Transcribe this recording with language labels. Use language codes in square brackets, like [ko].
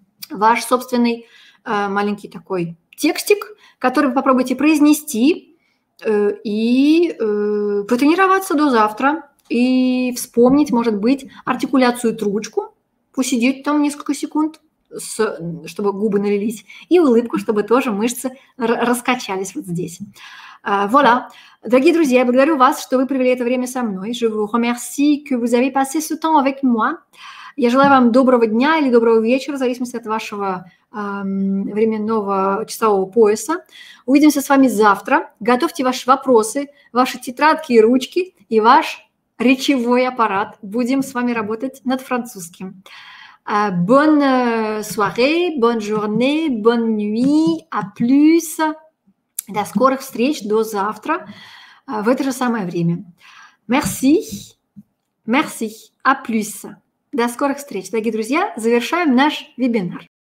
[ru] ваш собственный маленький такой текстик, который вы попробуете произнести и потренироваться до завтра, и вспомнить, может быть, артикуляцию трубочку, посидеть там несколько секунд, чтобы губы налились, и улыбку, чтобы тоже мышцы раскачались вот здесь. [fr] Voilà. [ru] Дорогие друзья, я благодарю вас, что вы провели это время со мной. [fr] Je vous remercie que vous avez passé ce temps avec moi. [ru] Я желаю вам доброго дня или доброго вечера, в зависимости от вашего временного часового пояса. Увидимся с вами завтра. Готовьте ваши вопросы, ваши тетрадки и ручки, и ваш речевой аппарат. Будем с вами работать над французским. [fr] Bonne soirée, bonne journée, bonne nuit, à plus. [ru] До скорых встреч, до завтра, в это же самое время. [fr] Merci, merci, à plus. [ru] До скорых встреч, дорогие друзья, завершаем наш вебинар.